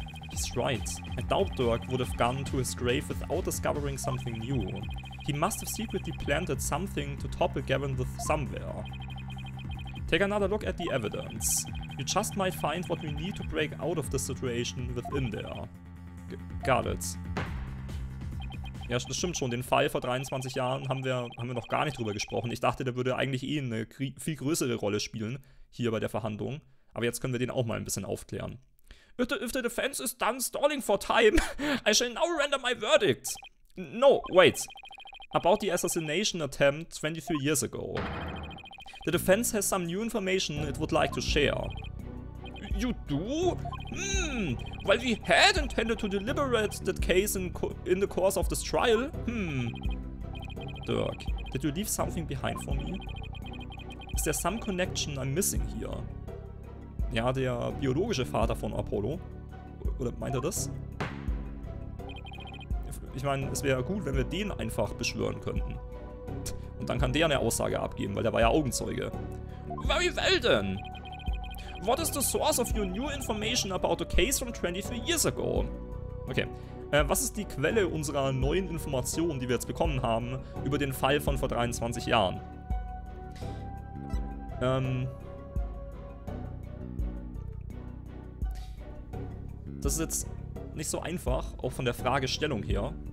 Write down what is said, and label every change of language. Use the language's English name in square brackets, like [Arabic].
[English] He's right. I doubt Dirk would have gone to his grave without discovering something new. He must have secretly planted something to topple Garen with somewhere. Take another look at the evidence. You just might find what we need to break out of the situation within there. Got it. [German] Ja, das stimmt schon. Den Fall vor 23 Jahren haben wir noch gar nicht drüber gesprochen. Ich dachte, der würde eigentlich eh eine viel größere Rolle spielen hier bei der Verhandlung. Aber jetzt können wir den auch mal ein bisschen aufklären. [English] If the defense is done stalling for time, I shall now render my verdict. No, wait. About the assassination attempt 23 years ago. The defense has some new information it would like to share. You do? Well, we had intended to deliberate that case in the course of this trial. Dirk, did you leave something behind for me? Is there some connection I'm missing here? [German] Ja, der biologische Vater von Apollo. Oder meint er das? Ich meine, es wäre gut, wenn wir den einfach beschwören könnten. Und dann kann der eine Aussage abgeben, weil der war ja Augenzeuge. [English] Very well then. What is the source of your new information about the case from 23 years ago? [German] Okay, was ist die Quelle unserer neuen Informationen, die wir jetzt bekommen haben, über den Fall von vor 23 Jahren? Das ist jetzt nicht so einfach, auch von der Fragestellung her.